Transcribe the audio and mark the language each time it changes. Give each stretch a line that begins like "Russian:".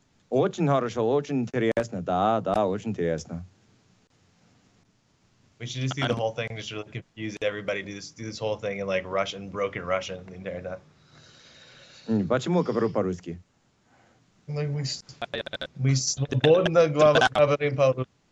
Russian: Очень хорошо, очень интересно. Да, да, очень интересно.
English: We should just do the whole thing, just really confuse everybody, do this whole thing in like Russian, broken Russian, the internet.
Russian: Почему говорю по-русски? Мы свободно говорим по-русски.